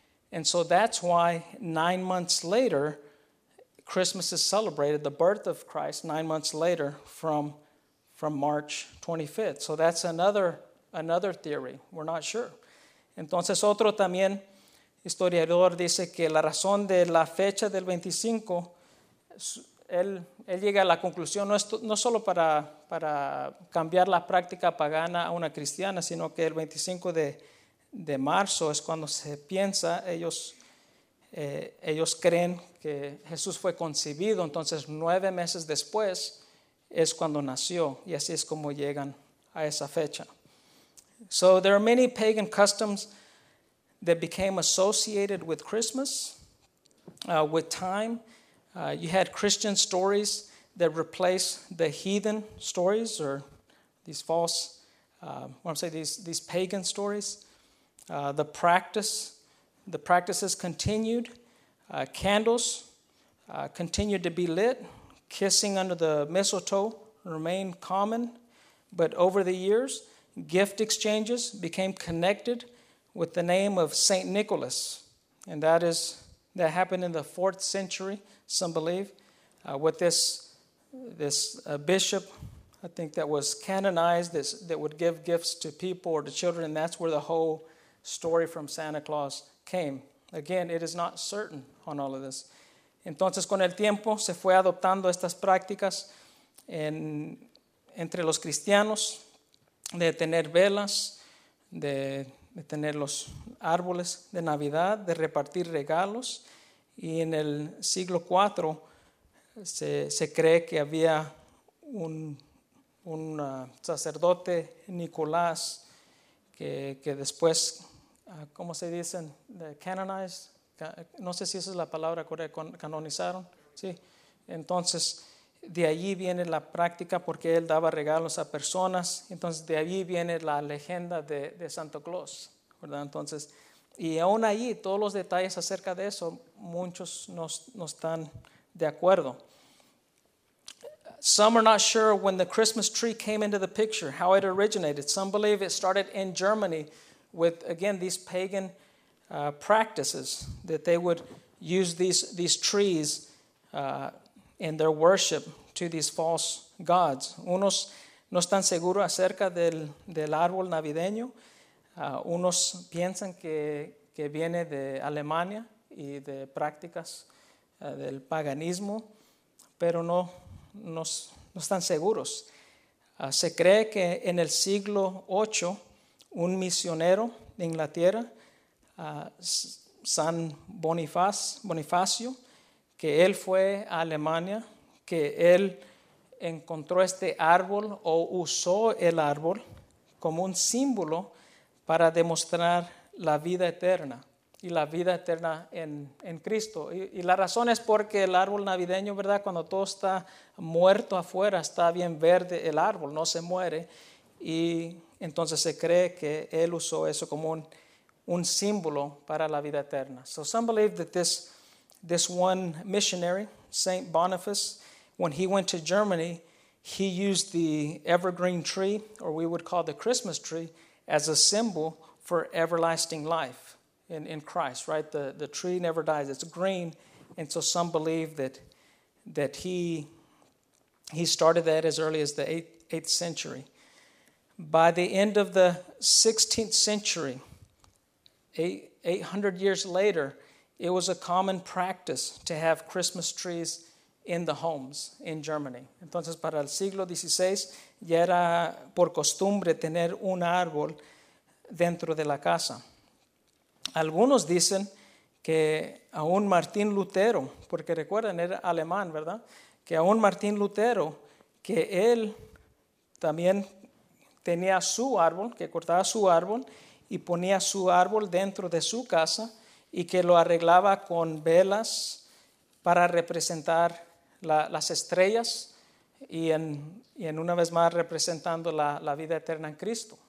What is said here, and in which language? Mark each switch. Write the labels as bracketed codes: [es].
[en] And so that's why 9 months later, Christmas is celebrated, the birth of Christ, 9 months later from March 25th. So that's another theory. We're not sure. [es] Entonces otro también historiador dice que la razón de la fecha del 25, él llega a la conclusión, no solo para cambiar la práctica pagana a una cristiana, sino que el 25 de marzo es cuando se piensa, ellos creen que Jesús fue concebido, entonces 9 meses después es cuando nació, y así es como llegan a esa fecha. [en] So there are many pagan customs that became associated with Christmas, with time. You had Christian stories that replaced the heathen stories, or these false, these pagan stories. The practices continued. Candles continued to be lit. Kissing under the mistletoe remained common. But over the years, gift exchanges became connected with the name of Saint Nicholas. And that happened in the 4th century, some believe, with this bishop, I think, that was canonized, that would give gifts to people or to children. And that's where the whole story from Santa Claus came. Again, it is not certain on all of this. [es] Entonces, con el tiempo, se fue adoptando estas prácticas entre los cristianos, de tener velas, de tener los árboles de Navidad, de repartir regalos. Y en el siglo IV se cree que había un sacerdote, Nicolás, que después, ¿cómo se dicen? Canonized. No sé si esa es la palabra correcta, canonizaron. Sí. Entonces, de allí viene la práctica, porque él daba regalos a personas. Entonces, de allí viene la leyenda de Santa Claus, ¿verdad? Entonces, y aún ahí, todos los detalles acerca de eso, muchos no están de acuerdo. [en] Some are not sure when the Christmas tree came into the picture, how it originated. Some believe it started in Germany with, again, these pagan practices, that they would use these trees in their worship to these false gods. [es] Unos no están seguros acerca del árbol navideño. Unos piensan que viene de Alemania, y de prácticas del paganismo, pero no están seguros. Se cree que en el siglo VIII, un misionero de Inglaterra, San Bonifacio, que él fue a Alemania, que él encontró este árbol o usó el árbol como un símbolo para demostrar la vida eterna y la vida eterna en Cristo. Y la razón es porque el árbol navideño, ¿verdad?, cuando todo está muerto afuera, está bien verde el árbol, no se muere. Y entonces se cree que él usó eso como un símbolo para la vida eterna. [en] So some believe that this one missionary, Saint Boniface, when he went to Germany, he used the evergreen tree, or we would call the Christmas tree, as a symbol for everlasting life in Christ, right? The tree never dies. It's green. And so some believe that he started that as early as the 8th century. By the end of the 16th century, 800 years later, it was a common practice to have Christmas trees in the homes in Germany. [es] Entonces, para el siglo XVI, ya era por costumbre tener un árbol dentro de la casa. Algunos dicen que aún Martín Lutero, porque recuerden, era alemán, ¿verdad? Que aún Martín Lutero, que él también tenía su árbol, que cortaba su árbol y ponía su árbol dentro de su casa y que lo arreglaba con velas para representar las estrellas y en una vez más representando la vida eterna en Cristo.